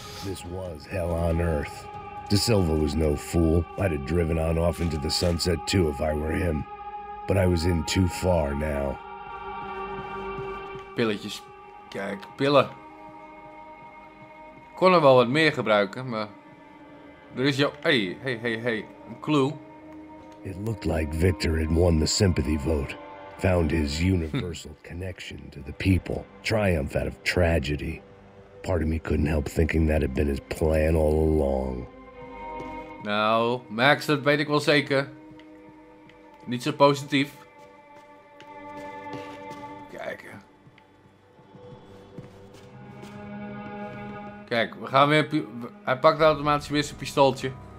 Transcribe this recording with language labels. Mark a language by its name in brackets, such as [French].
[English] This was hell on earth. De Silva was no fool. I'd have driven on off into the sunset too if I were him. But I was in too far now. [Dutch] Pilletjes. Kijk, pillen. Ik kon er wel wat meer gebruiken, maar... Er is jouw... Hey. Een clue. [English] It looked like Victor had won the sympathy vote. Found his universal connection to the people. Triumph out of tragedy. Part of me couldn't help thinking that had been his plan all along. [Dutch] Nou, Max, dat weet ik wel zeker. Niet zo positief. Kijken. Kijk, we gaan weer... Hij pakt automatisch weer zijn pistooltje.